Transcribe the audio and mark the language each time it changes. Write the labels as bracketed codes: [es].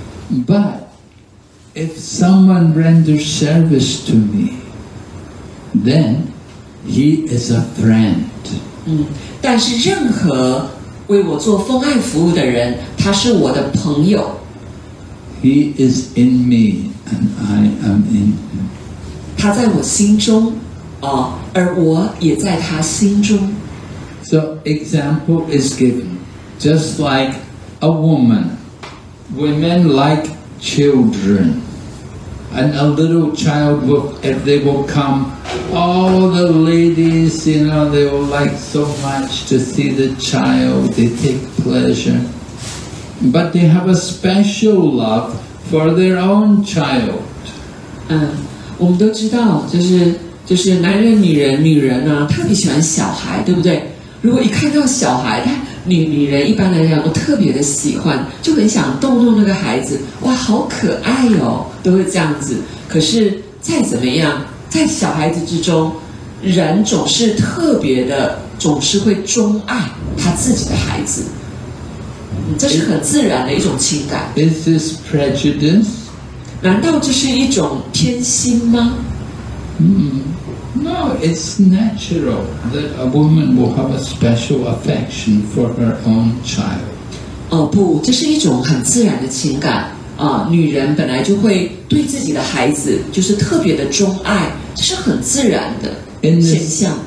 [en] But if someone renders service to me, then he is a friend. [zh] 但是任何为我做奉爱服务的人，他是我的朋友。 [en] He is in me, and I am in him. [zh] 他在我心中，而我也在他心中。 [en] So example is given, just like a woman, women like children, and a little child will, if they will come, all the ladies, you know, they will like so much to see the child, they take pleasure, but they have a special love for their own child. [zh] 我们都知道，就是男人、女人啊，特别喜欢小孩，对不对？如果一看到小孩，他 女人一般来讲都特别的喜欢，就很想逗弄那个孩子，哇好可爱哦，都会这样子。可是再怎么样，在小孩子之中，人总是特别的，总是会钟爱他自己的孩子，这是很自然的一种情感。 [en] Is this prejudice? [zh] 难道这是一种偏心吗？ [en] No, it's natural that a woman will have a special affection for her own child. [zh] 不，这是一种很自然的情感。女人本来就会对自己的孩子就是特别的钟爱，这是很自然的现象。